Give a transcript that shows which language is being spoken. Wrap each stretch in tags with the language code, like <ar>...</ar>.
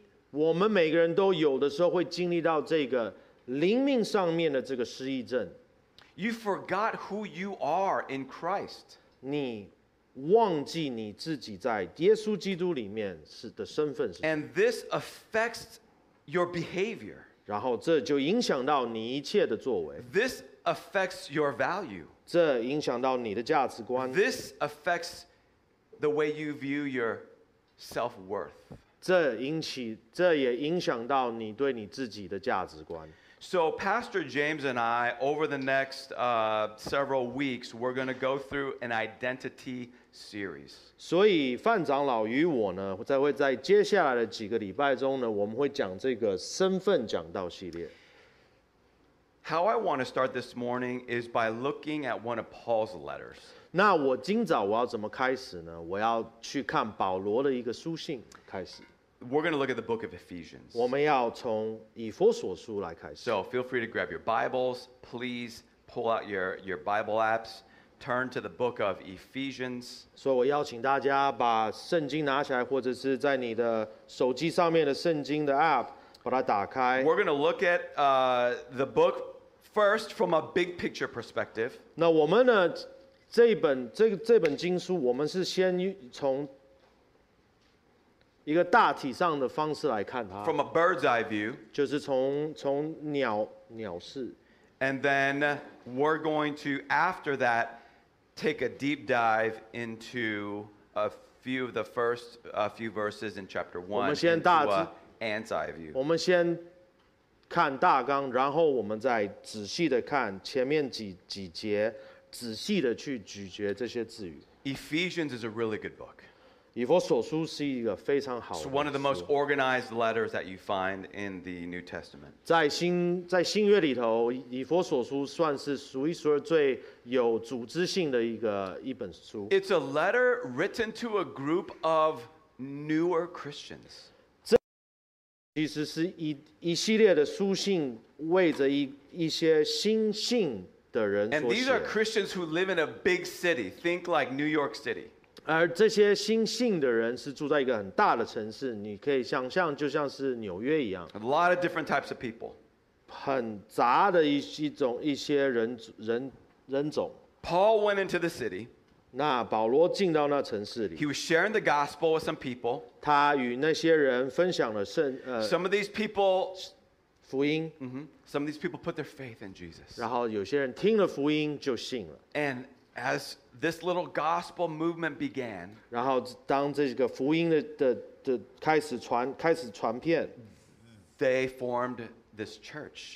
<zh>我们每个人都有的时候会经历到这个灵命上面的这个失忆症。</zh> <en>You forgot who you are in Christ.</en> <zh>你忘记你自己在耶稣基督里面是的身份是什么。</zh> <en>And this affects your behavior.</en> <zh>然后这就影响到你一切的作为。</zh> <en>This affects your value.</en> <zh>这影响到你的价值观。</zh> <en>This affects the way you view your self-worth.</en> <zh>这也影响到你对你自己的价值观。</zh> <en>So Pastor James and I, over the next several weeks, we're going to go through an identity series.</en> <zh>所以范长老与我呢，在会在接下来的几个礼拜中呢，我们会讲这个身份讲道系列。</zh> <en>How I want to start this morning is by looking at one of Paul's letters.</en> <zh>那我今早我要怎么开始呢？我要去看保罗的一个书信开始。</zh> <en>We're going to look at the book of Ephesians.</en> <zh>我们要从以弗所书来开始。</zh> <en>So feel free to grab your Bibles. Please pull out your Bible apps. Turn to the book of Ephesians.</en> <zh>所以我邀请大家把圣经拿起来，或者是在你的手机上面的圣经的 app。</zh> <en>We're going to look at the book first from a big picture perspective.</en> <zh>那我们呢，这本经书，我们是先从一个大体上的方式来看它。</zh> <en>From a bird's eye view.</en> <zh>就是从鸟视。</zh> <en>And then we're going to, after that, take a deep dive into a few of the first few verses in chapter 1.</en> <zh>我们先大致。我们先看大纲，然后我们再仔细的看前面几节，仔细的去咀嚼这些字语。</zh> <en>Ephesians is a really good book.</en> <zh>以弗所书是一个非常好的书。</zh> <en>It's one of the most organized letters that you find in the New Testament.</en> <zh>在新约里头，以弗所书算是数一数二最有组织性的一本书。</zh> <en>It's a letter written to a group of newer Christians.</en> <zh>其实是一系列的书信为着一些新信的人所写。</zh> <en>And these are Christians who live in a big city. Think like New York City.</en> <zh>而这些新信的人是住在一个很大的城市，你可以想象就像是纽约一样。</zh> <en>A lot of different types of people.</en> <zh>很杂的一些人种。</zh> <en>Paul went into the city.</en> <zh>那保罗进到那城市里。</zh> <en>He was sharing the gospel with some people.</en> <zh>他与那些人分享了圣</zh> <en>Some of these people,</en> <zh>福音。 Mm-hmm.</zh> <en>Some of these people put their faith in Jesus.</en> <zh>然后有些人听了福音就信了。</zh> <en>And as this little gospel movement began,</en> <zh>然后当这个福音的开始传遍，</zh> <en>they formed this church.</en>